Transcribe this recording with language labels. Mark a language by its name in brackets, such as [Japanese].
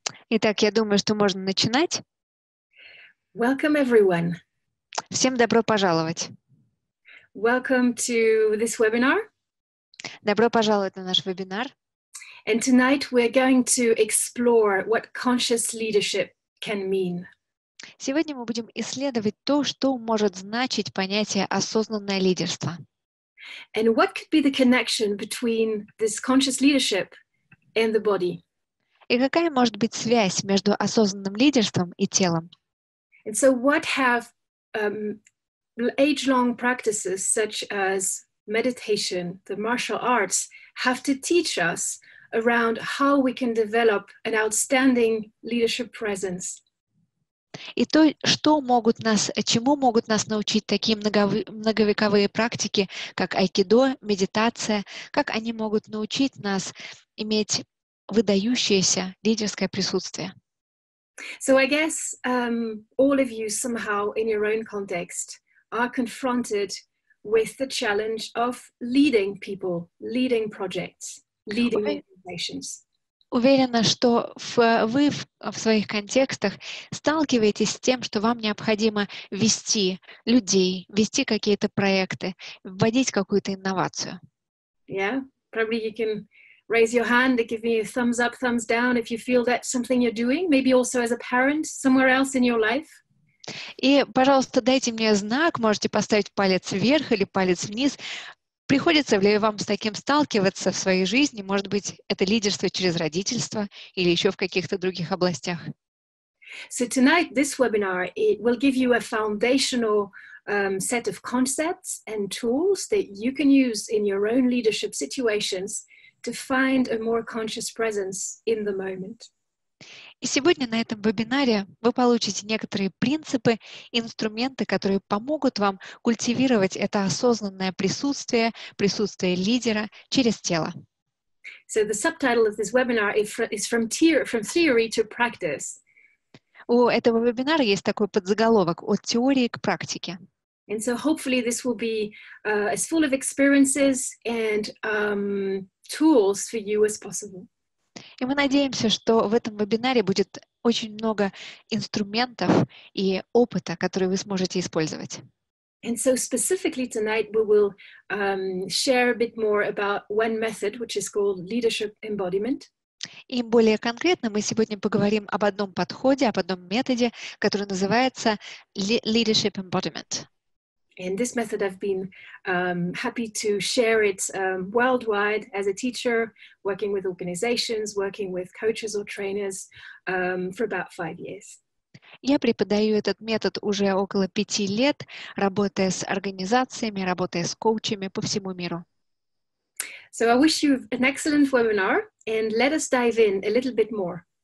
[Russian] Итак, я думаю, что можно начинать. [English] Welcome everyone. [Russian] Всем добро пожаловать. [English] Welcome to this webinar. [Russian] Добро пожаловать на наш вебинар. [English] And tonight we're going to explore what conscious leadership can mean. [Russian] Сегодня мы будем исследовать то, что может значить понятие осознанное лидерство. [English] And what could be the connection between this conscious leadership and the body? [Russian] И какая может быть связь между осознанным лидерством и телом? [English] And so what have age-long practices such as meditation, the martial arts, have to teach us around how we can develop an outstanding leadership presence? [Russian] И то, что могут нас, чему могут нас научить такие многовековые практики, как айкидо, медитация, как они могут научить нас иметь выдающееся лидерское присутствие? [English] So I guess all of you somehow in your own context are confronted with the challenge of leading people, leading projects, leading organizations. [Russian] Уверена, что вы в своих контекстах сталкиваетесь с тем, что вам необходимо вести людей, вести какие-то проекты, вводить какую-то инновацию. [English] Yeah, probably you can raise your hand and give me a thumbs up, thumbs down if you feel that's something you're doing, maybe also as a parent somewhere else in your life. [Russian] И, пожалуйста, дайте мне знак, можете поставить палец вверх или палец вниз. Приходится ли вам с таким сталкиваться в своей жизни? Может быть, это лидерство через родительство или еще в каких-то других областях? [English] So tonight, this webinar, it will give you a foundational set of concepts and tools that you can use in your own leadership situations to find a more conscious presence in the moment. [Russian] И сегодня на этом вебинаре вы получите некоторые принципы, инструменты, которые помогут вам культивировать это осознанное присутствие, присутствие лидера через тело. [English] So the subtitle of this webinar is from theory to practice. [Russian] У этого вебинара есть такой подзаголовок «От теории к практике». [English] And so hopefully this will be as full of experiences and tools for you as possible. [Russian] И мы надеемся, что в этом вебинаре будет очень много инструментов и опыта, которые вы сможете использовать. [English] And so specifically tonight we will share a bit more about one method, which is called leadership embodiment. [Russian] И более конкретно мы сегодня поговорим об одном подходе, об одном методе, который называется leadership embodiment. [English] And this method, I've been happy to share it worldwide as a teacher, working with organizations, working with coaches or trainers for about 5 years. [Russian] Я преподаю этот метод уже около 5 лет, работая с организациями, работая с коучами по всему миру. [English] So I wish you an excellent webinar, and let us dive in a little bit more.